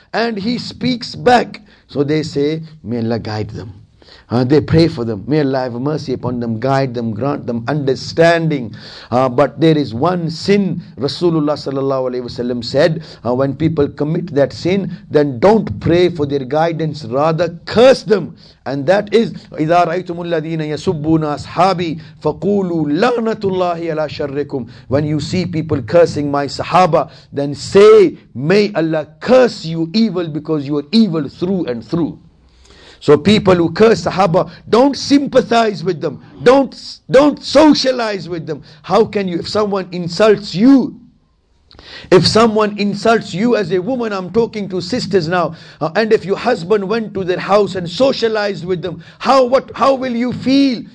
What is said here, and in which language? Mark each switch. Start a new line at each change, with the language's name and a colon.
English: And he speaks back. So they say, may Allah guide them. They pray for them. May Allah have mercy upon them. Guide them. Grant them understanding. But there is one sin. Rasulullah sallallahu alaihi wasallam said, when people commit that sin, then don't pray for their guidance. Rather, curse them. And that is,
Arabic: إِذَا رَأَيْتُمُ الَّذِينَ يَسُبُّونَ أَصْحَابِي فَقُولُوا لَعْنَةُ اللَّهِ عَلَى شَرِّكُمْ.
English: When you see people cursing my Sahaba, then say, may Allah curse you evil, because you are evil through and through. So people who curse Sahaba, don't sympathize with them. Don't socialize with them. How can you, if someone insults you as a woman, I'm talking to sisters now, and if your husband went to their house and socialized with them, how will you feel?